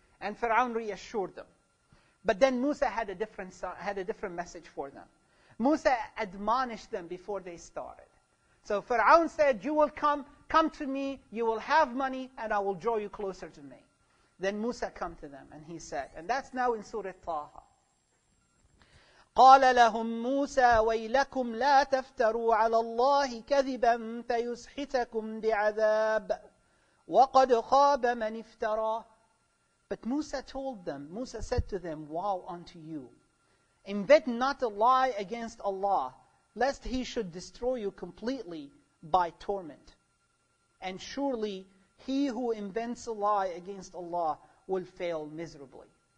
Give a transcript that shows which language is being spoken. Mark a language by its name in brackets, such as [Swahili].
[English] And Fir'aun reassured them. But then Musa had a different message for them. Musa admonished them before they started. So Fir'aun said, you will come to me, you will have money, and I will draw you closer to me. Then Musa come to them, and he said, and that's now in Surah Taha. [Arabic] قال لهم موسى ويلكم لا تفتروا على الله كذبا فيسحتكم بعذاب وقد خاب من افترى. [English] But Musa told them, Musa said to them, wow unto you. Invent not a lie against Allah, lest he should destroy you completely by torment. And surely he who invents a lie against Allah will fail miserably.